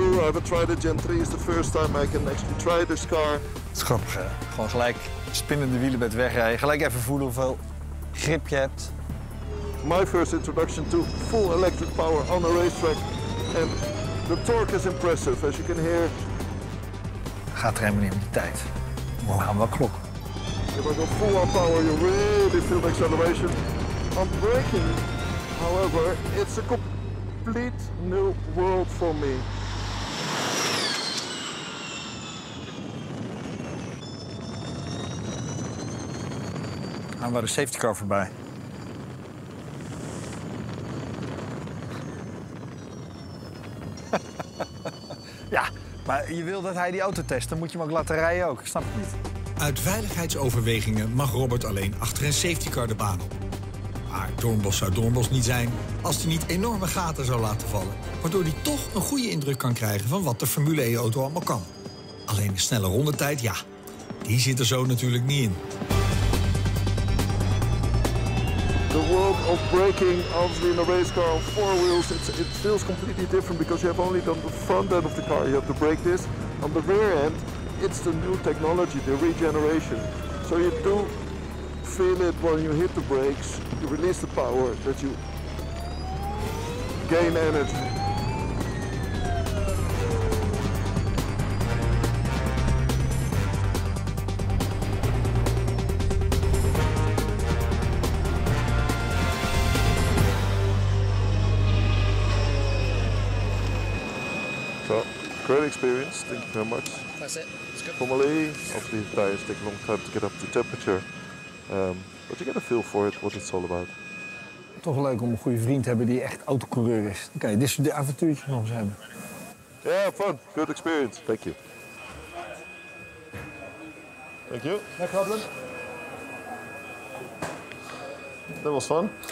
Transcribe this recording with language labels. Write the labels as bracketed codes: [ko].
[en] I haven't tried the Gen 3. It's the first time I can actually try this car. [nl] Het is grappig, hè? Gewoon gelijk spinnende wielenbed wegrijden. Gelijk even voelen hoeveel grip je hebt. [en] My first introduction to full electric power on a racetrack. And the torque is impressive, as you can hear. [nl] Gaat er helemaal niet om die tijd. We gaan wel klokken. [en] If I go full on power, you really feel the acceleration. I'm braking, however, it's a complete new world for me. [nl] Gaan we de safety car voorbij. Ja, maar je wil dat hij die auto test, dan moet je hem ook laten rijden ook. Ik snap het niet. Uit veiligheidsoverwegingen mag Robert alleen achter een safety car de baan op. Maar Doornbos zou Doornbos niet zijn als hij niet enorme gaten zou laten vallen. Waardoor hij toch een goede indruk kan krijgen van wat de Formule E-auto allemaal kan. Alleen de snelle rondetijd, ja, die zit er zo natuurlijk niet in. [en] The world of braking, obviously in a race car on four wheels, it feels completely different because you have only done the front end of the car. You have to brake this on the rear end. It's the new technology, the regeneration. So you do feel it when you hit the brakes, you release the power, that you gain energy. So, great experience, thank you very much. That's it. Formally, obviously the tires take a long time to get up to temperature. But you get a feel for it, what it's all about. [nl] Toch leuk om een goede vriend te hebben die echt autocoureur is. Oké, dit is de avontuurtje nog eens hebben. [en] Yeah, fun. Good experience. Thank you. Thank you. No problem. That was fun.